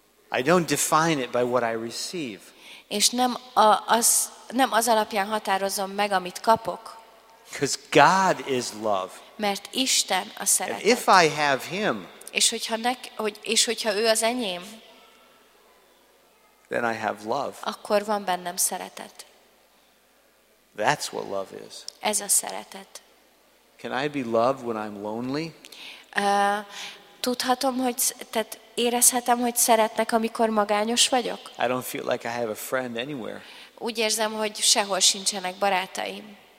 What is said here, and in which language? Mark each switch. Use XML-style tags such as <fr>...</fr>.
<en>I don't define it by what I receive.</en> <hu>És nem az alapján határozom meg, amit kapok.</hu> <en>Because God is love.</en> <hu>Mert Isten a szeretet.</hu> <en>And if I have him.</en> <hu>És hogyha ő az enyém.</hu> <en>Then I have love.</en> <hu>Akkor van bennem szeretet.</hu> <en>That's what love is.</en> <hu>Ez a szeretet.</hu> <en>Can I be loved when I'm lonely?</en> <hu>Tudhatom, hogy tehát érezhetem, hogy szeretnek, amikor magányos vagyok.</hu> <en>I don't feel like I have a friend anywhere.</en> <hu>Úgy érzem, hogy sehol sincsenek barátaim.</hu>